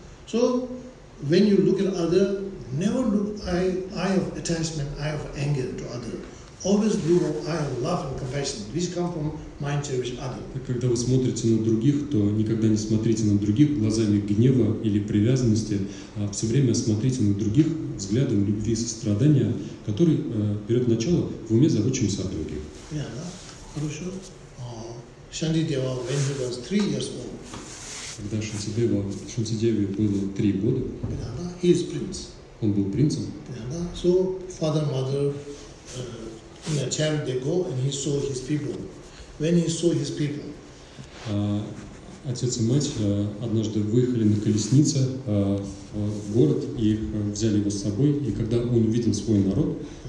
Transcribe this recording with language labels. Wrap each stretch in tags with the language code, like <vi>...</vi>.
<en>So, when you look at other, never look eye of attachment, eye of anger to other. Always look at eye of love and compassion. This comes from mind cherish other.</en> <ru>Когда вы смотрите на других, то никогда не смотрите на других глазами гнева или привязанности, а все время смотрите на других взглядом любви и сострадания, который берет начало в уме заботчивости о других.</ru> <en>Хорошо. Шантидева, when he was 3 years old.</en> <ru>Когда Шантидеве было 3 года.</ru> <en>He is prince.</en> <ru>Он был принцем.</ru> <en>So father, mother, in a chariot they go, and he saw his people. When he saw his people,</en> <ru>отец и мать однажды выехали на колеснице в город и взяли его с собой. И когда он увидел свой народ,</ru>